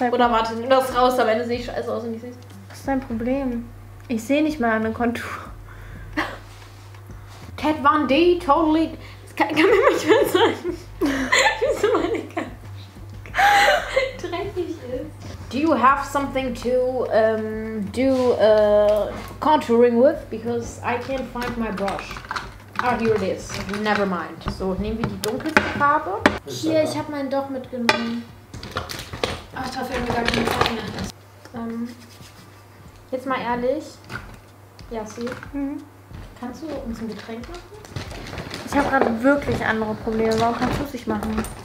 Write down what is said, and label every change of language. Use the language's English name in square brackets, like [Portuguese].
[German] Oder warte, nimm das raus, am Ende sehe ich scheiße aus und ich sehe es. Was ist dein Problem? Ich sehe nicht mal eine Kontur. [English] Kat Von D, totally. [German] Das kann mir nicht mehr sagen. Wieso meine Kamera dreckig ist. [English] Do you have something to do contouring with? Because I can't find my brush. Ah, here it is. Never mind. [German] So, nehmen wir die dunkelste Farbe. Hier, ich habe meinen doch mitgenommen. Ach, da fällt mir gar keine Farbe mehr. Jetzt mal ehrlich. Yassi. Mhm. Kannst du uns ein Getränk machen? Ich habe gerade wirklich andere Probleme. Warum kannst du es nicht machen?